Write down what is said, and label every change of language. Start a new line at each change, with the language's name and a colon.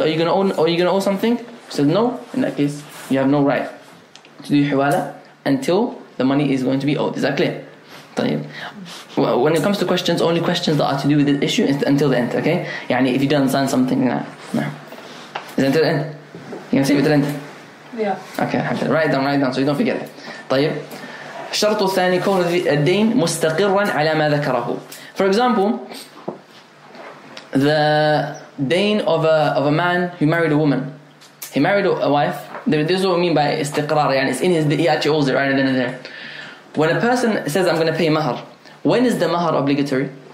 English: Are you gonna owe something? He said no. In that case, you have no right to do hiwala until the money is going to be owed. Is that clear? طيب. When it comes to questions, only questions that are to do with the issue is until the end. Okay. يعني if you don't sign something, nah. Is it until the end? You can save it to the end. Yeah. Okay. Write it down. So you don't forget it. طيب.
Arabic: الشرط الثاني يكون الدين مستقرا على ما ذكره.
English: For example, the dain of a man who married a woman, he married a wife. This is what we mean by استقرار. يعني it's in his, he actually owes it right then and there. When a person says I'm going to pay mahar, when is the mahar obligatory?